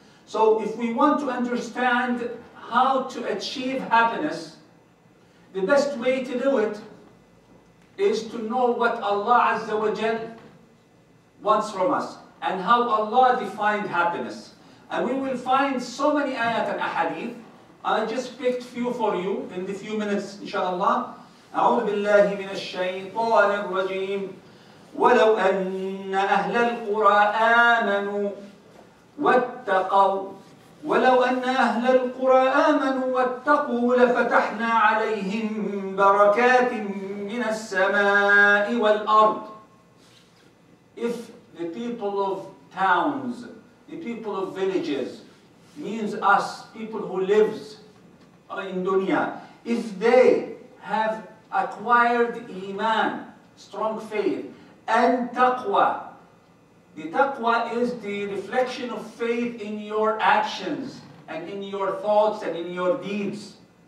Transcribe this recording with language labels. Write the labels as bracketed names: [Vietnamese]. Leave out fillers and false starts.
[English] So if we want to understand how to achieve happiness, the best way to do it is to know what Allah Azza wa Jal wants from us, and how Allah defined happiness. And we will find so many ayat and ahadith. I just picked few for you in the few minutes, inshallah. [Arabic] أعوذ بالله من الشيطان الرجيم ولو أن أهل القرى آمنوا واتقوا ولو أن أهل القرى آمنوا واتقوا لفتحنا عليهم بركات من السماء والأرض. [English] If the people of towns, the people of villages, means us, people who lives in dunya, if they have acquired iman, strong faith, and taqwa, the taqwa is the reflection of faith in your actions, and in your thoughts, and in your deeds.